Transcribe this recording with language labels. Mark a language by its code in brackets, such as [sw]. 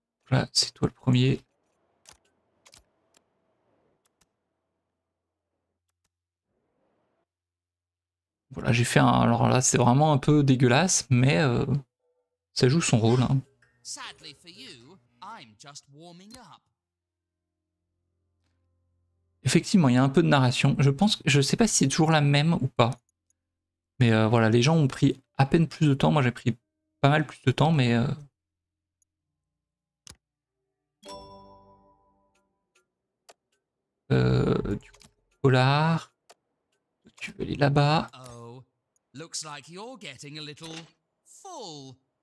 [fr] Là, c'est toi le premier. Voilà, j'ai fait un. Alors là, c'est vraiment un peu dégueulasse, mais ça joue son rôle. Hein. [en] Sadly for you, I'm just warming up. [fr] Effectivement, il y a un peu de narration. Je pense que je sais pas si c'est toujours la même ou pas. Mais voilà, les gens ont pris à peine plus de temps. Moi, j'ai pris pas mal plus de temps, mais. Du polar, tu veux aller là-bas. [en] Looks like you're getting a little full.